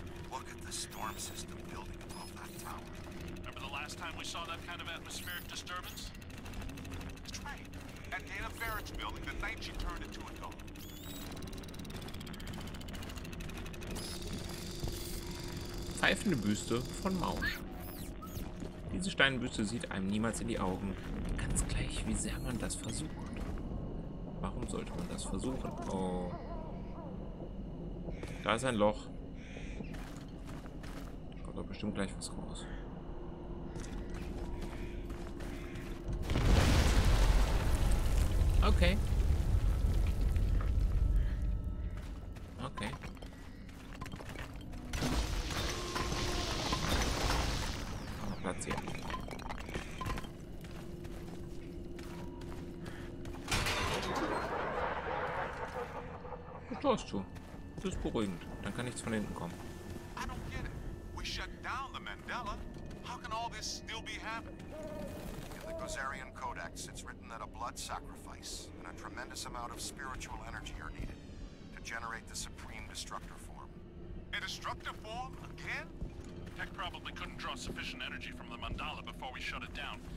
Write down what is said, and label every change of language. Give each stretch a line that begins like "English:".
English: Look at the storm system building above that tower. Remember the last time we saw that kind of atmospheric disturbance? That's right. That Dana Farage building, the night she turned into a dog.
German: Pfeifende Büste von Mausch. Diese Steinbüste sieht einem niemals in die Augen. Ganz gleich, wie sehr man das versucht. Warum sollte man das versuchen? Oh. Da ist ein Loch. Da kommt doch bestimmt gleich was raus. Okay. Okay. Platz hier. Das tun. Das ist beruhigend. Dann kann nichts von hinten kommen.
English: I don't get it. We shut down the Mandela. How can all this still be happening? In the Gozerian Codex, it's written that a blood sacrifice and a tremendous amount of spiritual energy are needed to generate the supreme destructor form. A destructor form? Again? Tech probably couldn't draw sufficient energy from the Mandala before we shut it down.